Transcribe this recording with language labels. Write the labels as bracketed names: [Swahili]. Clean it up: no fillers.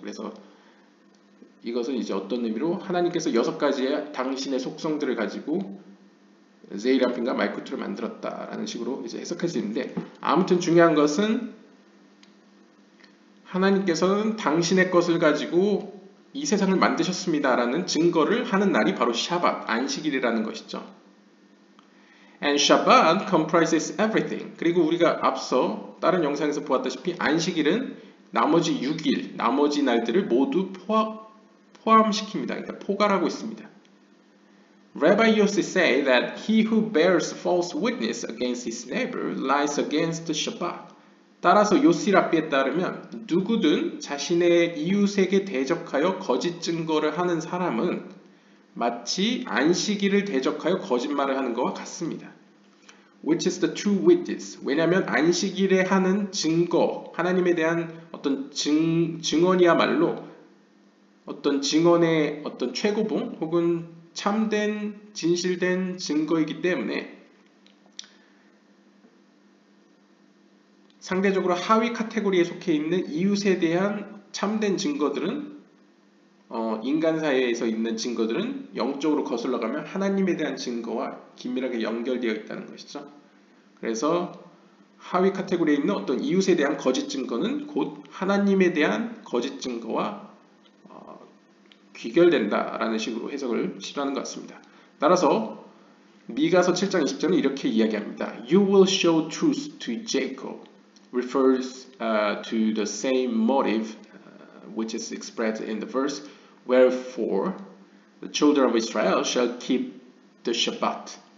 [Korean] 그래서 이것은 이제 어떤 의미로 하나님께서 여섯 가지의 당신의 속성들을 가지고 제이람핀과 마이크트를 만들었다라는 식으로 이제 해석할 수 있는데 아무튼 중요한 것은 하나님께서는 당신의 것을 가지고 이 세상을 만드셨습니다라는 증거를 하는 날이 바로 샤밧, 안식일이라는 것이죠. [English] And Shabbat comprises everything. [Korean] 그리고 우리가 앞서 다른 영상에서 보았다시피 안식일은 나머지 6일, 나머지 날들을 모두 포함시킵니다. 그러니까 포괄하고 있습니다. [English] Rabbi Yossi say that he who bears false witness against his neighbor lies against the Shabbat. [Korean] 따라서 요시 랍비에 따르면 누구든 자신의 이웃에게 대적하여 거짓 증거를 하는 사람은 마치 안식일을 대적하여 거짓말을 하는 것과 같습니다. [English] Which is the true witness? [Korean] 왜냐하면 안식일에 하는 증거, 하나님에 대한 어떤 증언이야말로 어떤 증언의 어떤 최고봉 혹은 참된 진실된 증거이기 때문에 상대적으로 하위 카테고리에 속해 있는 이웃에 대한 참된 증거들은 인간 사회에서 있는 증거들은 영적으로 거슬러 가면 하나님에 대한 증거와 긴밀하게 연결되어 있다는 것이죠. 그래서 하위 카테고리에 있는 어떤 이웃에 대한 거짓 증거는 곧 하나님에 대한 거짓 증거와 귀결된다라는 식으로 해석을 싫어하는 것 같습니다. 따라서 미가서 7장 20절은 이렇게 이야기합니다. [English] You will show truth to Jacob refers to the same motive which is expressed in the verse wherefore the children of Israel shall keep the Shabbat.